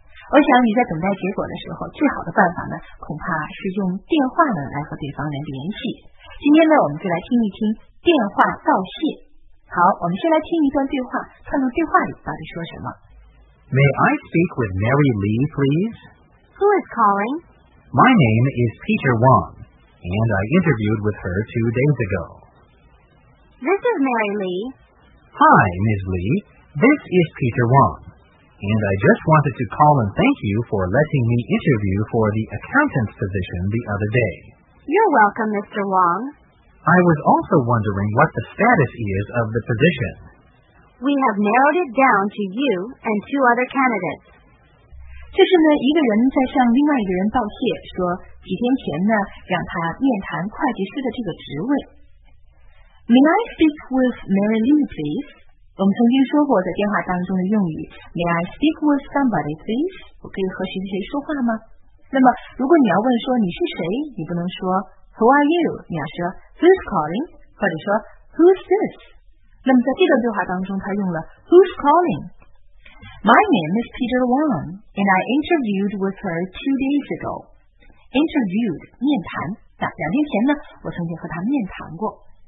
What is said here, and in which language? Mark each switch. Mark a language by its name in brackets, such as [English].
[Chinese] 我想你在等待结果的时候，最好的办法呢，恐怕是用电话呢来和对方来联系。今天呢，我们就来听一听电话道谢。好，我们先来听一段对话，看看对话里到底说什么。 [English] May I speak with Mary Lee, please? Who is calling? My name is Peter Wong, and I interviewed with her 2 days ago. This is Mary Lee. Hi, Ms. Lee. This is Peter Wong, and I just wanted to call and thank you for letting me interview for the accountant's position the other day. You're welcome, Mr. Wong. I was also wondering what the status is of the position. We have narrowed it down to you and 2 other candidates. [Chinese] 这是呢一个人在向另外一个人道谢，说几天前呢让他面谈会计师的这个职位。 [English] May I speak with Mary Lee, please? [Chinese] 我们曾经说过在电话当中的用语 [English] ，May I speak with somebody, please? [Chinese] 我可以和谁谁说话吗？那么如果你要问说你是谁，你不能说 [English] Who are you? [Chinese] 你要说 [English] Who's calling? [Chinese] 或者说 [English] Who's this? [Chinese] 那么在这段对话当中，他用了 [English] Who's calling? My name is Peter Wong, and I interviewed with her 2 days ago. [Chinese] Interviewed, 面谈。两天前呢，我曾经和他面谈过。